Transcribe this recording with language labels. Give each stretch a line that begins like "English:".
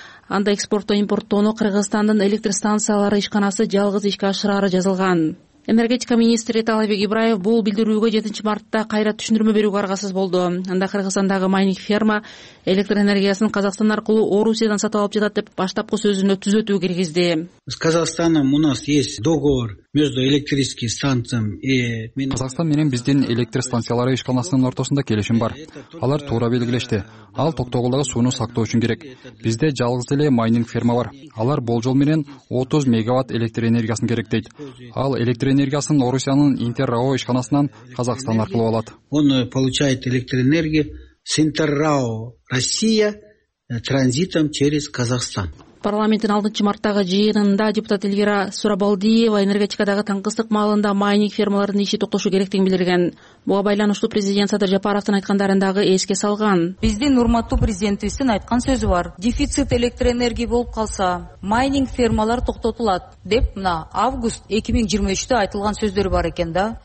Kyrgyz: Анда экспортто импорттоону Кыргызстандын электр станциялары ишканасы жалгыз ишке ашырары жазылган. Энергетика министри Талайбек Ибраев бул билдирүүгө 7 мартта кайра түшүндүрмө берүүгө аргасыз болду. Анда Кыргызстандагы майнинг ферма электр энергиясын Казакстан аркылуу Орусиядан сатып алып жатат деп баштапкы сөзүнө түзөтүү киргизди.
Russian: С Казахстаном у нас есть договор между электрическими станциями
Kyrgyz: и Казахстан менен биздин электр станциялары ишканасынын ортосунда келишим бар. Алар туура белгилешти. Ал токтогулдагы сууну сактоо үчүн керек. Бизде жалгыз эле майнинг ферма бар. Алар болжол менен 30 мегаватт электр энергиясын керектейт. Ал электр энергиясын Орусиянын Интеррао ишканасынан Казахстан аркылуу алат.
Russian: Он получает электроэнергию с Интеррао Россия транзитом через Казахстан.
Kyrgyz: Парламенттин 6 марттагы жыйынында депутат Элгира Сурабалдиева энергетикадагы таңкыстык маалында майнинг фермалардын иши токтошу керектигин билдирген. Буга байланыштуу президент Садыр Жапаровдун айткандарын дагы эске салган. Биздин урматтуу президентибиздин айткан сөзү бар. Дефицит электр энергия болуп калса, майнинг фермалар токтотулат деп мына август 2023-тө айтылган сөздөрү бар экен да.